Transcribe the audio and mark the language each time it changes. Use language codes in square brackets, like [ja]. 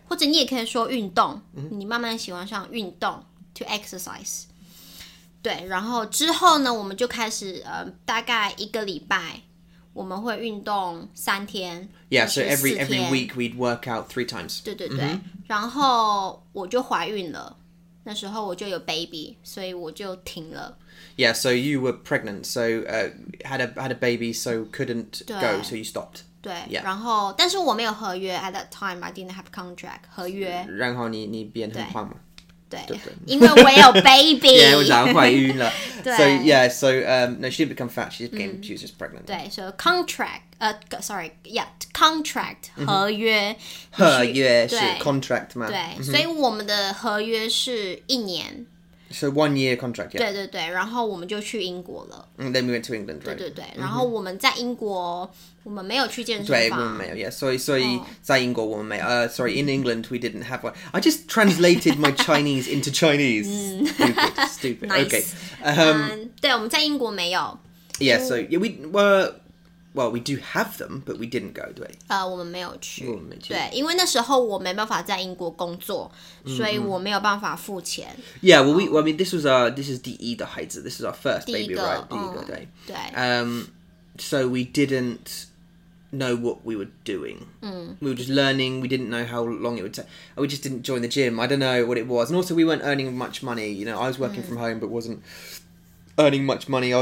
[zh] 或者你也可以说运动、你慢慢喜欢上运动 [en] to exercise [zh] 对，然后之后呢我们就开始、大概一个礼拜我们会运动三天 [en] yeah so every week we'd work out three times [zh] 对对对、然后我就怀孕了，那时候我就有 baby 所以我就停了。 [en] Yeah, so you were pregnant, so had a baby, so couldn't go, so you stopped. [zh] 对、 [en] yeah. [zh] 然后但是我没有合约 [en] at that time, I didn't have contract, [zh] 合约。然后你变很快吗？对因为我有 baby. [en] yeah, [zh] 我想怀孕了。 [en] So yeah, so, no, she didn't become fat, she was just pregnant. [zh] 对 [en] so contract, contract, [zh] 合约。合约是 contract 吗？对、所以我们的合约是一年。 [en] So one-year contract, yeah. [zh] 对对对，然后我们就去英国了。 [en] Then we went to England, right? [zh] 对对对，然后我们在英国，我们没有去健身房。对，我们没有 ， [en] yeah. [zh] 所以在英国我们没有。 [en] Sorry, in England we didn't have one. I just translated my Chinese into Chinese. stupid. nice. Okay. [zh] 对，我们在英国没有。 [en] Yeah, so yeah, well, we do have them, but we didn't go, [zh] 对。我们没有去。对，因为那时候我没办法在英国工作，所以我没有办法付钱。 [en] Yeah, well, this is [zh] 第一的孩子, [en] this is our first baby, right? [zh] 第一个, 对。对。 [en] So we didn't know what we were doing. We were just learning, we didn't know how long it would take. We just didn't join the gym, I don't know what it was. And also we weren't earning much money, you know, I was working from home, but wasn't earning much money.